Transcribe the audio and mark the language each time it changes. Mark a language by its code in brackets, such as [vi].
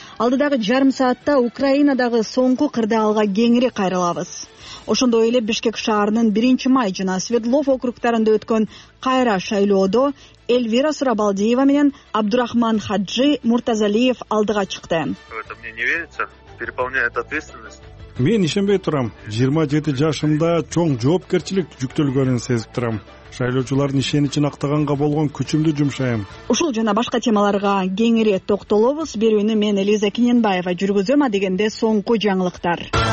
[ky] Алдыдагы жарым саатта Украинадагы соңку кырдаалга кеңири кайрылабыз. Ошондой эле Бишкек шаарынын 1-май жана Свердлов округдарында өткөн кайра шайлоодо Эльвира Сурабалдиева менен Абдурахман Хаджи Муртазалиев алдыга чыкты. [ru] Это мне не верится, переполняет ответственность. [ky] Мен ишенбей турам. 27 жашымда чоң жоопкерчилик жүктөлгөнүн сезип турам. Шайлоочулардын ишеничин актаганга болгон күчүмдү жумшайм. Ушул жана башка темаларга кеңири токтолобуз. Берүүнү мен Элиза Кененбаева жүргүзөм, а дегенде соңку жаңылыктар.